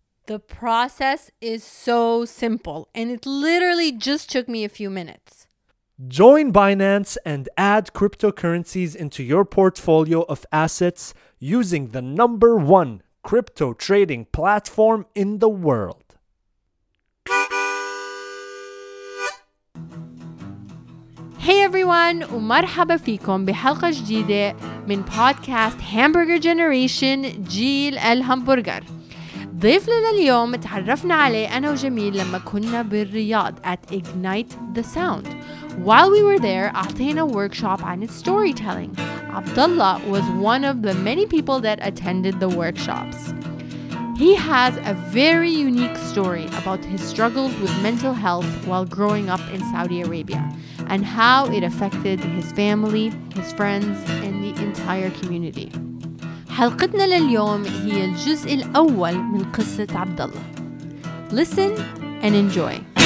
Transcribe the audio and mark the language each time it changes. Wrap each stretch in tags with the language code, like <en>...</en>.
<en>The process is so simple and it literally just took me a few minutes. Join Binance and add cryptocurrencies into your portfolio of assets using the number one crypto trading platform in the world. Hey everyone,</en> <ar>ومرحبا فيكم بحلقة جديدة من podcast Hamburger Generation جيل الهمبرجر. ضيفنا اليوم تعرفنا عليه أنا وجميل لما كنا بالرياض at Ignite the Sound.</ar> <en>While we were there,</en> <ar>أعطينا</ar> <en>workshop</en> <ar>عن</ar> <en>storytelling. Abdullah was one of the many people that attended the workshops. He has a very unique story about his struggles with mental health while growing up in Saudi Arabia and how it affected his family, his friends, and the entire community.</en> <ar>حلقتنا لليوم هي الجزء الأول من قصة عبدالله.</ar> <en>Listen and enjoy.</en>